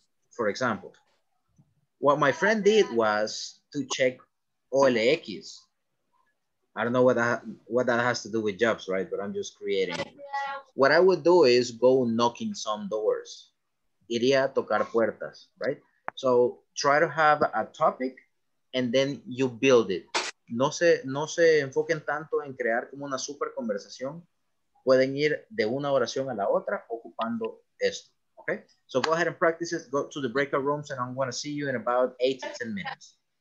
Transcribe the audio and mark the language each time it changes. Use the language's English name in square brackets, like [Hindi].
[English] For example, what my friend did was to check OLX. I don't know what that has to do with jobs, right? But I'm just creating. What I would do is go knocking some doors. [Spanish] Iría a tocar puertas, [English] right? So try to have a topic and then you build it. [Spanish] No se enfoquen tanto en crear como una super conversación. Pueden ir de una oración a la otra ocupando esto, okay? [English] So go ahead and practice it. Go to the breakout rooms and I'm gonna see you in about 8 to 10 minutes.